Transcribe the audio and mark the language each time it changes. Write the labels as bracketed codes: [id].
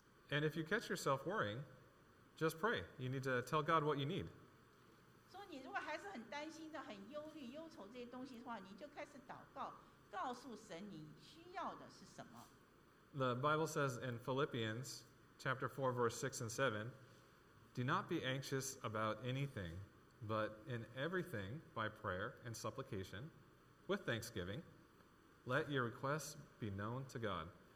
[en] And if you catch yourself worrying, just pray. You need to tell God what you need. [zh] 所以你如果还是很担心的，很忧虑、忧愁这些东西的话，你就开始祷告，告诉神你需要的是什么。 [en] The Bible says in Philippians chapter 4, verse 6 and 7, do not be anxious about anything, but in everything, by prayer and supplication, with thanksgiving, let your requests be known to God.